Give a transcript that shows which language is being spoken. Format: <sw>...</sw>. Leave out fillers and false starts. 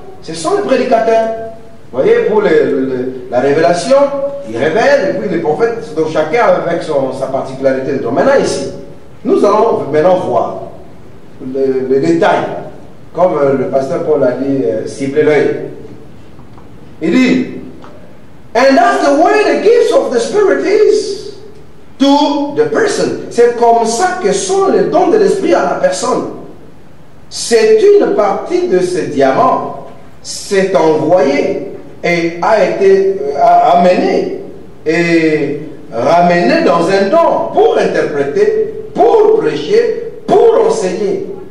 <fr>Ce sont les prédicateurs. Vous voyez, pour la révélation, il révèle, et puis les prophètes, donc chacun avec sa particularité. Donc maintenant, ici, nous allons maintenant voir le détail. Comme le pasteur Paul a dit, cibler l'œil.</fr> <en>He did. And that's the way the gifts of the Spirit is to the person.</en> <fr>C'est comme ça que sont les dons de l'Esprit à la personne. C'est une partie de ce diamant. C'est envoyé et a été amené et ramené dans un don pour interpréter, pour prêcher, pour enseigner.</fr>